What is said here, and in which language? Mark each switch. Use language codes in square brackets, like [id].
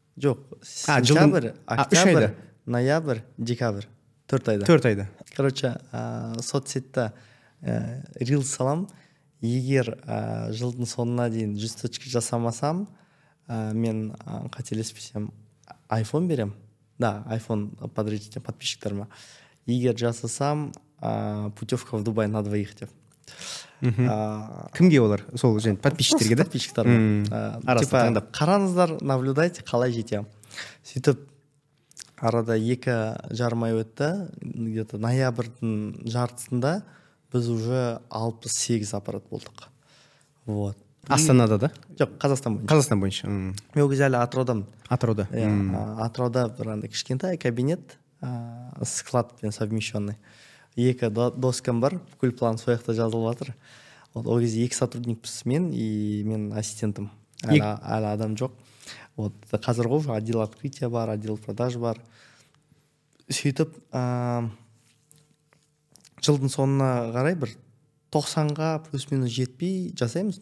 [kk] Жоқ, сентябрь, октябрь, ноябрь, декабрь, 4 айда. 4 айда. Короче, соцсетте рил салам, егер жылдың соңына дейін 100 точка жасамасам, мен қателеспесем, айфон берем. [ru] Да, айфон подарите подписчикам. [kk] Егер жасасам, [ru] путевка в Дубай на двоих [kk] деп. Кімге олар? Сол жән подписчиктерге, да? Подписчиктарға. Типа, қараңыздар, наблюдайте, қалай жетем. Сөйтіп, арада 2,5 ай өтті, где-то ноябрьдің жартысында біз уже 68 аппарат болдық. Вот. Астанада, да? Жоқ, Қазақстан бойынша. Қазақстан бойынша. Мен өзім әлі Атыраудамын. Атырауда. Атырауда бір андай кішкентай кабинет, складпен [ru] совмещенный. [kk] Екі доскам бар, бүкіл план сол жақта жазылып жатыр. Вот, ол кезде екі сотрудникпіз мен и мен ассистентім. Әлі адам жоқ. Вот, қазір ғой, [ru] отдел открытия [kk] бар, [ru] отдел продаж [kk] бар. Сөйтіп, жылдың соңына қарай бір 90-ға плюс-минус жетпей жасаймыз.